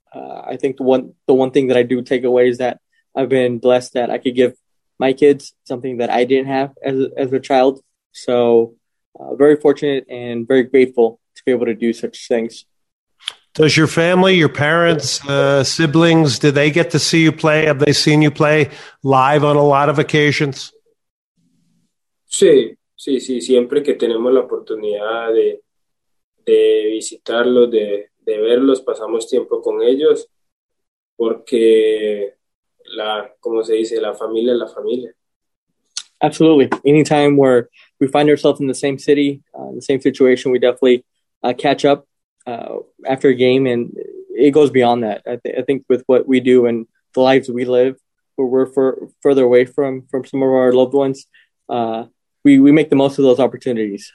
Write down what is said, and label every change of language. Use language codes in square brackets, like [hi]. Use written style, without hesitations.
[en] I think the one thing that I do take away is that I've been blessed that I could give my kids something that I didn't have as a child. So very fortunate and very grateful to be able to do such things. Does your family, your parents, siblings, do they get to see you play? Have they seen you play live on a lot of occasions? [es] Sí, sí, sí. Siempre que tenemos la oportunidad de visitarlos, de verlos, pasamos tiempo con ellos, porque la, como se dice, la familia es la familia. [en] Absolutely. Anytime where we find ourselves in the same city, in the same situation, we definitely catch up after a game, and it goes beyond that. I think with what we do and the lives we live, where we're further away from some of our loved ones, we make the most of those opportunities.